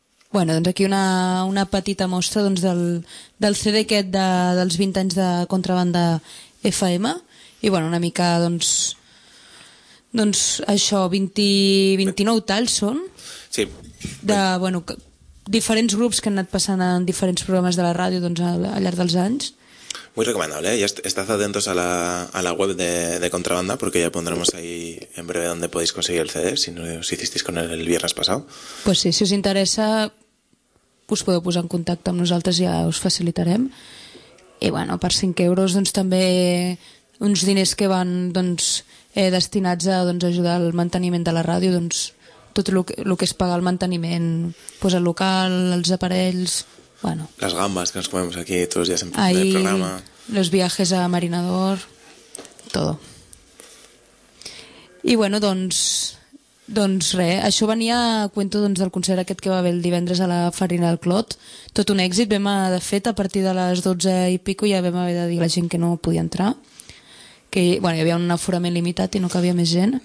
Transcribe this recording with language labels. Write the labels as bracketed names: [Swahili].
[Catalan] Bueno, doncs aquí una petita mostra doncs del CD aquest dels 20 anys de Contrabanda FM. I bueno, una mica doncs això, 29 talls són. Sí. De, bueno, diferents grups que han anat passant en diferents programes de la ràdio doncs al llarg dels anys. [Spanish] Muy recomendable, ¿eh? Ya estad atentos a la web de Contrabanda, porque ya pondremos ahí en breve donde podéis conseguir el CD, si no os hicisteis con el viernes pasado. Pues sí, si os interesa, [Catalan] us podeu posar en contacte amb nosaltres, ja us facilitarem. I bueno, per 5 euros doncs, també uns diners que van doncs, destinats a doncs, ajudar al manteniment de la ràdio, doncs, tot el que és pagar el manteniment, doncs, el local, els aparells... Bueno. Les gambes que ens comem aquí tots els dies en el programa. [Spanish] Los viajes a Marinador, todo. [Catalan] I bueno, doncs res, això venia a cuento doncs, del concert aquest que va haver el divendres a la Farina del Clot. Tot un èxit, vam de fet a partir de les 12 i pico ja vam haver de dir a la gent que no podia entrar, que bueno, hi havia un aforament limitat i no cabia més gent.